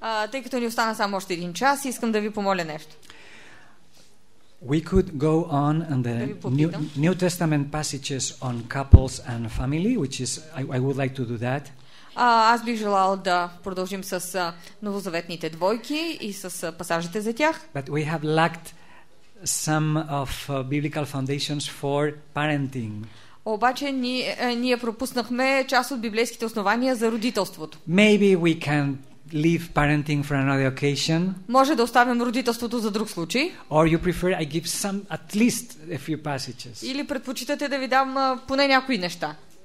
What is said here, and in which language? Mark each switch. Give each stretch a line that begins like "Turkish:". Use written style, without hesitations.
Bulgarian: Тъй като ни остана само още един час, искам да ви помоля нещо.
English: We could go on the New Testament passages on couples and family, which is I would like to do that.
Bulgarian: Аз бих желал да продължим с новозаветните двойки и с пасажите за тях.
English: But we have lacked some of biblical foundations for parenting.
Bulgarian: Обаче ние пропуснахме част от библейските основания за родителството.
English: Maybe we can leave parenting for another occasion.
Bulgarian: Може да оставим родителството за друг случай.
English: Or you prefer I give some at least a few passages.
Bulgarian: Или предпочитате да ви дам поне някои неща?